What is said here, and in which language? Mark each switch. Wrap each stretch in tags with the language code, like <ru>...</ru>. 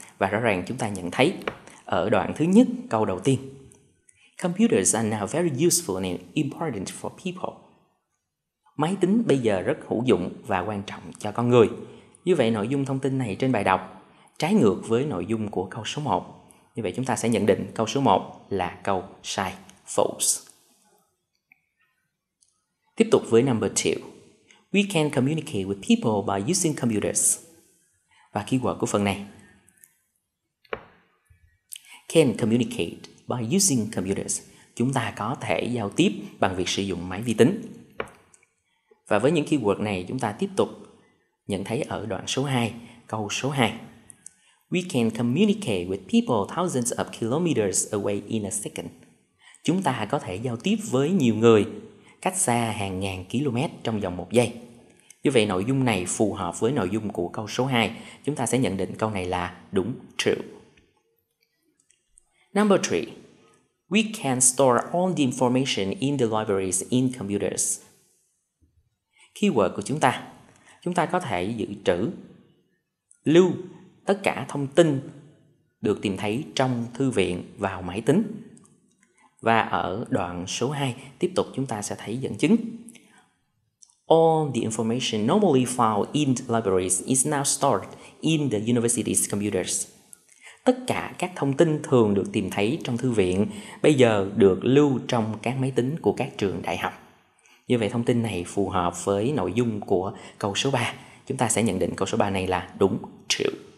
<vi>Và rõ ràng chúng ta nhận thấy ở đoạn thứ nhất, câu đầu tiên,</vi> <en>computers are now very useful and important for people.</en> <vi>Máy tính bây giờ rất hữu dụng và quan trọng cho con người. Như vậy nội dung thông tin này trên bài đọc trái ngược với nội dung của câu số 1. Như vậy chúng ta sẽ nhận định câu số 1 là câu sai, false. Tiếp tục với number 2.</vi> <en>We can communicate with people by using computers.</en> <vi>Và keyword của phần này.</vi> <en>Can communicate by using computers.</en> <vi>Chúng ta có thể giao tiếp bằng việc sử dụng máy vi tính. Và với những keyword này chúng ta tiếp tục nhận thấy ở đoạn số 2, câu số 2.</vi> <en>We can communicate with people thousands of kilometers away in a second.</en> <vi>Chúng ta có thể giao tiếp với nhiều người cách xa hàng ngàn km trong vòng 1 giây. Như vậy nội dung này phù hợp với nội dung của câu số 2. Chúng ta sẽ nhận định câu này là đúng, true.</vi> <en>Number 3. We can store all the information in the libraries in computers.</en> <vi>Keyword của chúng ta. Chúng ta có thể giữ trữ, lưu tất cả thông tin được tìm thấy trong thư viện vào máy tính. Và ở đoạn số 2, tiếp tục chúng ta sẽ thấy dẫn chứng.</vi> <en>All the information normally found in libraries is now stored in the university's computers.</en> <vi>Tất cả các thông tin thường được tìm thấy trong thư viện bây giờ được lưu trong các máy tính của các trường đại học. Như vậy thông tin này phù hợp với nội dung của câu số 3. Chúng ta sẽ nhận định câu số 3 này là đúng, true.</vi>